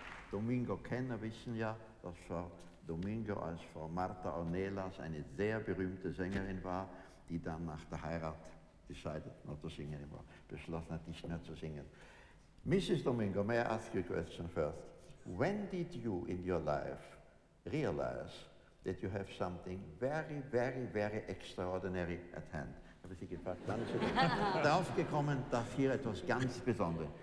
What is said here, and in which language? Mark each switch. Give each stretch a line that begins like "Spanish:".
German: Domingo-Kenner wissen ja, dass Frau Domingo als Frau Martha Ornelas eine sehr berühmte Sängerin war, die dann nach der Heirat beschlossen hat, nicht mehr zu singen.
English: Mrs. Domingo, may I ask you a question first? When did you in your life realize that you have something very, very, very extraordinary at hand?
German: Habe ich Sie gefragt, wann ist darauf gekommen, dass hier etwas ganz Besonderes?